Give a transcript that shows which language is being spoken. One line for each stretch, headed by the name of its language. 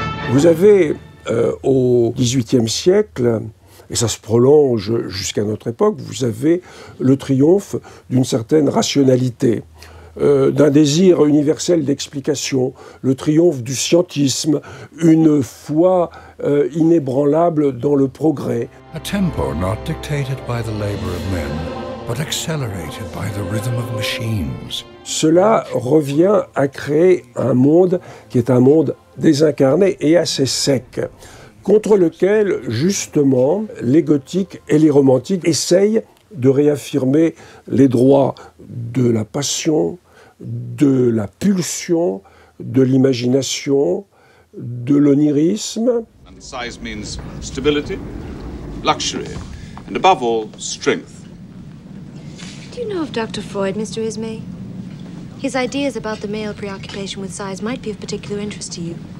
French: Vous avez au XVIIIe siècle, et ça se prolonge jusqu'à notre époque, vous avez le triomphe d'une certaine rationalité. D'un désir universel d'explication, le triomphe du scientisme, une foi inébranlable dans le progrès.
English: A tempo not dictated by the labor of men, but accelerated by the rhythm of machines.
French: Cela revient à créer un monde qui est un monde désincarné et assez sec, contre lequel, justement, les gothiques et les romantiques essayent de réaffirmer les droits de la passion, de la pulsion, de l'imagination, de l'onirisme.
English: Size means stability, luxury, and above all, strength. Do you know of Dr. Freud, Mr. Ismay? His ideas about the male preoccupation with size might be of particular interest to you.